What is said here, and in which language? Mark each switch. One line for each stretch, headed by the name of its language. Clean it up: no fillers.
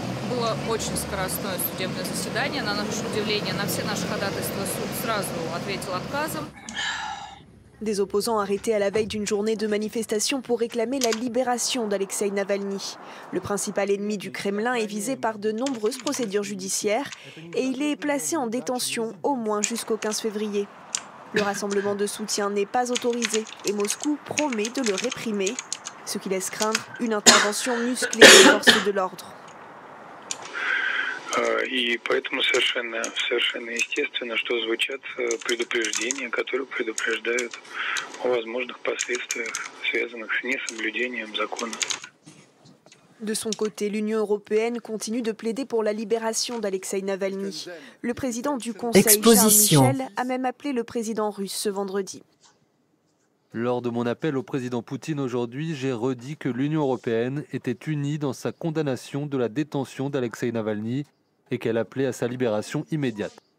Russian: Было очень скоростное судебное заседание. На наше удивление, на все наши ходатайства суд сразу ответил отказом.
French: Des opposants arrêtés à la veille d'une journée de manifestation pour réclamer la libération d'Alexei Navalny. Le principal ennemi du Kremlin est visé par de nombreuses procédures judiciaires et il est placé en détention au moins jusqu'au 15 février. Le rassemblement de soutien n'est pas autorisé et Moscou promet de le réprimer, ce qui laisse craindre une intervention musclée des forces de l'ordre.
Russian: И поэтому совершенно естественно, что звучат предупреждения, которые предупреждают о возможных последствиях, связанных с несоблюдением закона.
French: De son côté, l'Union européenne continue de plaider pour la libération d'Alexei Navalny. Le président du Conseil, Exposition. Charles Michel, a même appelé le président russe ce vendredi. Lors de mon appel au président Poutine aujourd'hui, j'ai redit que l'Union européenne était unie dans sa condamnation de la détention d'Alexei Navalny et qu'elle appelait à sa libération immédiate.